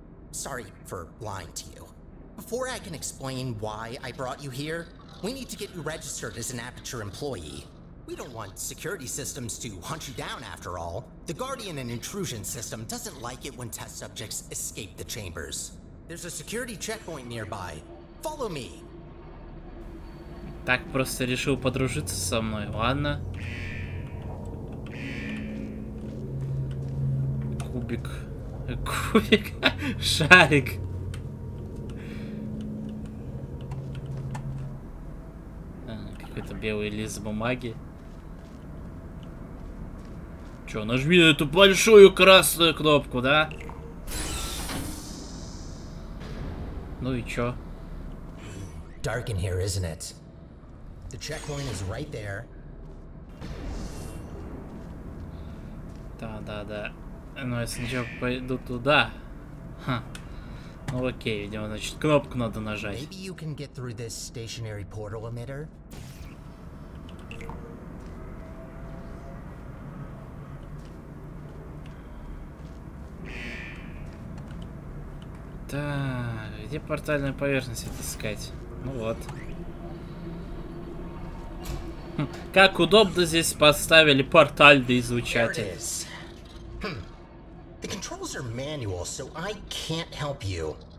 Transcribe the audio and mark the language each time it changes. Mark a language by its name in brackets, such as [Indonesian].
[English] Sorry for lying to you. Before I can explain why I brought you here, we need to get you registered as an Aperture employee. We don't want security systems to hunt you down after all. The Guardian and Intrusion System doesn't like it when test subjects escape the chambers. There's a security checkpoint nearby. Follow me. [Russian] Так просто решил подружиться со мной. Ладно. Кубик. Кубик. Шарик. Какой-то белый лист бумаги. Чё, нажми на эту большую красную кнопку, да? Ну и чё? [English] Dark in here, isn't it? The checkpoint is right there. [Russian] Да-да-да. Ну, я сначала пойду туда. Ха. Ну окей, видимо, значит, кнопку надо нажать. [English] Maybe you can get through this stationary portal emitter? [Russian] Да, где портальную поверхность отыскать? Ну вот. Как удобно здесь поставили портальный излучатель. [English] The controls are manual, so I can't help you.